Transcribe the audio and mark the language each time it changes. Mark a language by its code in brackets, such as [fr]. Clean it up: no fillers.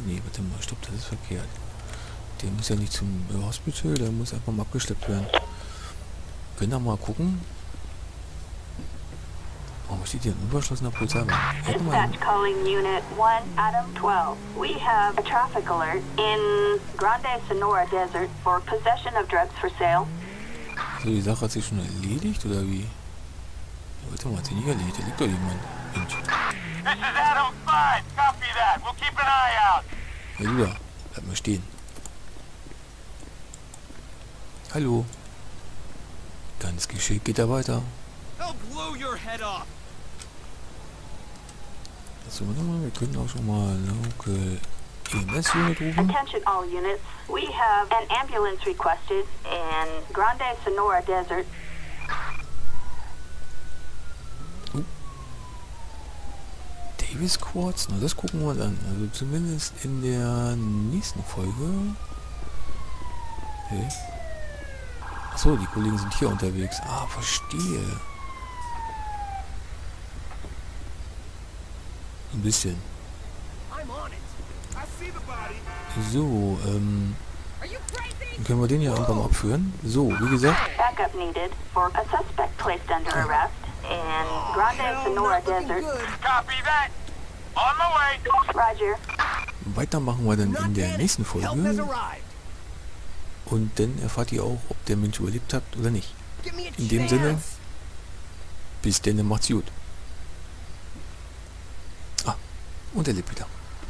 [de] Nee, warte mal, stopp, das ist verkehrt. Der muss ja nicht zum Hospital, der muss einfach mal abgeschleppt werden. Können wir mal gucken. Warum steht hier ein unverschlossener Polizeiwagen? [en] Dispatch calling Unit 1 Adam 12. We have a traffic alert in Grande Sonora Desert for possession of drugs for sale. [de] So, die Sache hat sich schon erledigt, oder wie? Ja, warte mal, hat sich nicht erledigt, da liegt doch jemand. Mensch. [en] This is Adam 5. Copy that. We'll keep an eye out. [de] Ja, bleib mal stehen. Hallo. Ganz geschickt geht er weiter. [en] He'll blow your head off. [de] Also, warte mal, wir können auch schon mal Local EMS Unit rufen. [en] Attention all units. We have an ambulance requested in Grande Sonora Desert. [de] Davis Quartz, na das gucken wir uns an. Also zumindest in der nächsten Folge. Hey. Achso, die Kollegen sind hier unterwegs. Ah, verstehe. Ein bisschen. So, dann können wir den hier einfach mal abführen. So, wie gesagt. [en] Backup needed for a suspect placed under arrest in Grande Sonora Desert. Copy that. On the way. Roger. [de] Weitermachen wir dann in der nächsten Folge. Und dann erfahrt ihr auch, ob der Mensch überlebt hat oder nicht. In dem Sinne, bis denn, macht's gut. Ah, und er lebt wieder.